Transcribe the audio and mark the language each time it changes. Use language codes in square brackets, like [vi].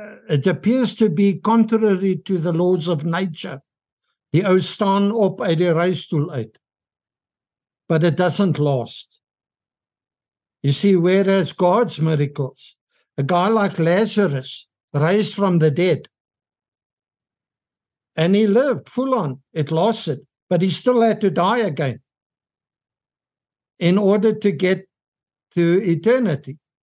[en] It appears to be contrary to the laws of nature. [af] Die ou staan op uit die reistoel uit. [en] But it doesn't last. You see, whereas God's miracles, a guy like Lazarus raised from the dead, and he lived full on, it lasted, but he still had to die again in order to get to eternity.